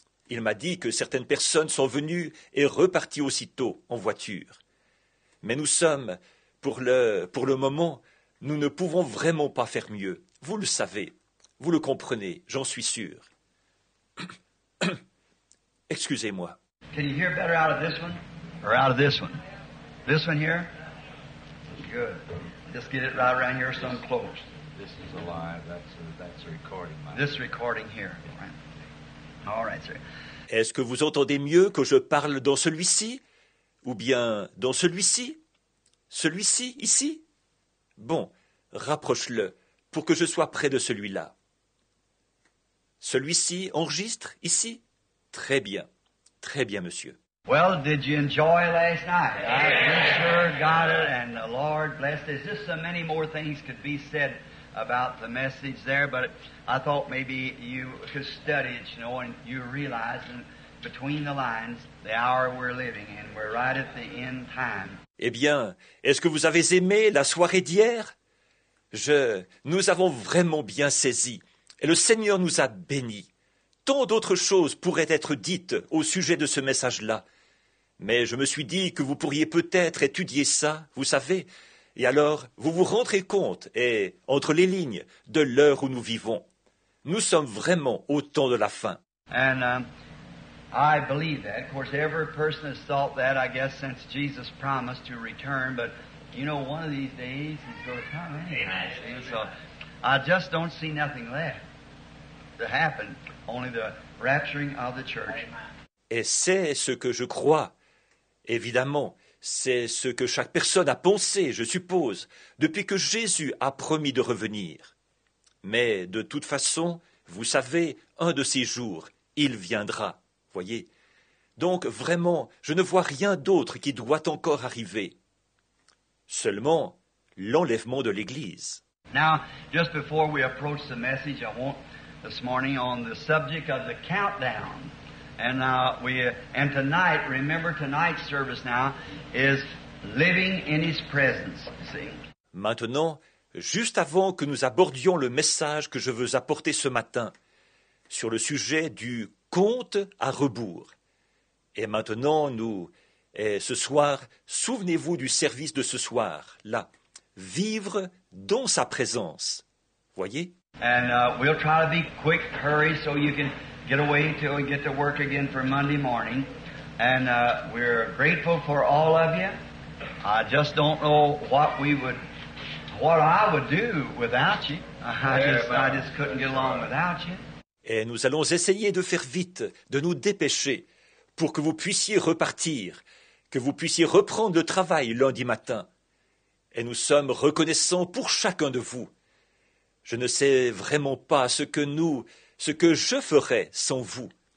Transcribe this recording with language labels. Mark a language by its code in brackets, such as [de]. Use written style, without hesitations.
[fr] Il m'a dit que certaines personnes sont venues et reparties aussitôt en voiture. Mais nous sommes, pour le moment, nous ne pouvons vraiment pas faire mieux. Vous le savez, vous le comprenez, j'en suis sûr. Excusez-moi. [en] Can you hear better out of this one or out of this one? This one here? Good. Just get it right around here so I'm close. This is alive. That's a recording. This recording here. Right? All right, sir. [fr] Est-ce que vous entendez mieux que je parle dans celui-ci? Ou bien dans celui-ci? Celui-ci, ici? Bon, rapproche-le pour que je sois près de celui-là. Celui-ci enregistre ici? Très bien. Très bien, monsieur. [en] Well, did you enjoy last night? I sure got it, and the Lord blessed it. Just so many more things could be said about the message there, but I thought maybe you could study it, you know, and you realize, and between the lines, the hour we're living in, we're right at the end time. [fr] Eh bien, est-ce que vous avez aimé la soirée d'hier? Nous avons vraiment bien saisi, et le Seigneur nous a bénis. Tant d'autres choses pourraient être dites au sujet de ce message-là. Mais je me suis dit que vous pourriez peut-être étudier ça, vous savez. Et alors, vous vous rendrez compte, et entre les lignes, de l'heure où nous vivons. Nous sommes vraiment au temps de la fin. [en] And I believe that. Of course, every person has thought that, I guess, since Jesus promised to return. But, you know, one of these days, he's going to come anyway. So, I just don't see nothing left to happen. Only the rapturing of the church. [fr] Et c'est ce que je crois. Évidemment, c'est ce que chaque personne a pensé, je suppose, depuis que Jésus a promis de revenir. Mais de toute façon, vous savez, un de ces jours, il viendra, voyez. Donc vraiment, je ne vois rien d'autre qui doit encore arriver. Seulement, l'enlèvement de l'Église. [en] Now, just before we approach the message, I want this morning on the subject of the countdown. And tonight, remember tonight's service now is living in His presence. See? [fr] Maintenant, juste avant que nous abordions le message que je veux apporter ce matin sur le sujet du compte à rebours. Et maintenant, ce soir, souvenez-vous du service de ce soir, là. Vivre dans sa présence. Voyez? [en] And we'll try to be quick, hurry, so you can get away until we get to work again for Monday morning. And we're grateful for all of you. I just don't know what I would do without you. I just couldn't get along without you. [fr] Et nous allons essayer de faire vite, de nous dépêcher, pour que vous puissiez repartir, que vous puissiez reprendre le travail lundi matin. Et nous sommes reconnaissants pour chacun de vous. Je ne sais vraiment pas ce que je ferais sans vous.